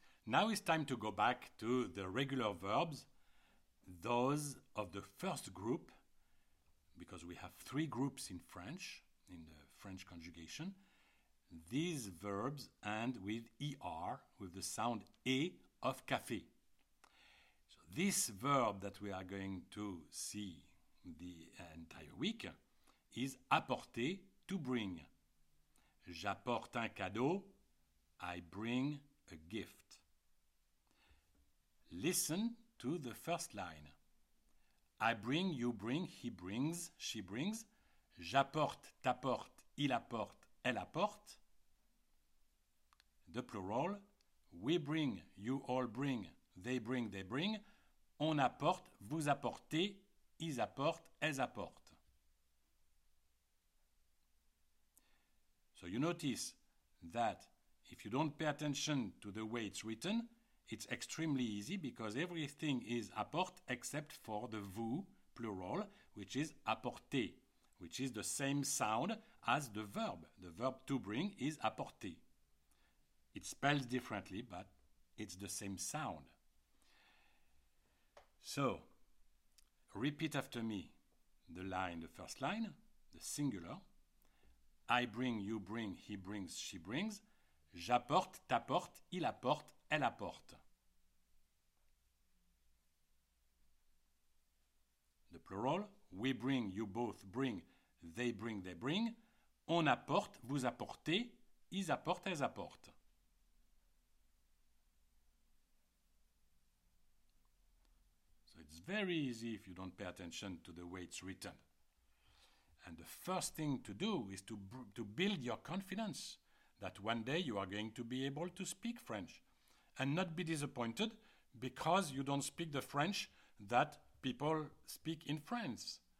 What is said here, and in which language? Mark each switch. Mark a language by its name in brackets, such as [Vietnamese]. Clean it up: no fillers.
[English] Now it's time to go back to the regular verbs, those of the first group, because we have three groups in French, in the French conjugation. These verbs end with ER, with the sound E of café. So this verb that we are going to see the entire week is apporter, to bring. [French] J'apporte un cadeau, [English] I bring a gift. Listen to the first line. I bring, you bring, he brings, she brings. [French] J'apporte, t'apporte, il apporte, elle apporte. [English] The plural. We bring, you all bring, they bring, they bring. [French] On apporte, vous apportez, ils apportent, elles apportent. [English] So you notice that if you don't pay attention to the way it's written, it's extremely easy because everything is apporte except for the vous plural, which is apporter, which is the same sound as the verb. The verb to bring is apporter. It spells differently, but it's the same sound. So, repeat after me the line, the first line, the singular. I bring, you bring, he brings, she brings. [French] J'apporte, t'apporte, il apporte, elle apporte. [English] The plural, we bring, you both bring, they bring, they bring. [French] On apporte, vous apportez, ils apportent, elles apportent. [English] So it's very easy if you don't pay attention to the way it's written. And the first thing to do is to build your confidence that one day you are going to be able to speak French and not be disappointed because you don't speak the French that people speak in France.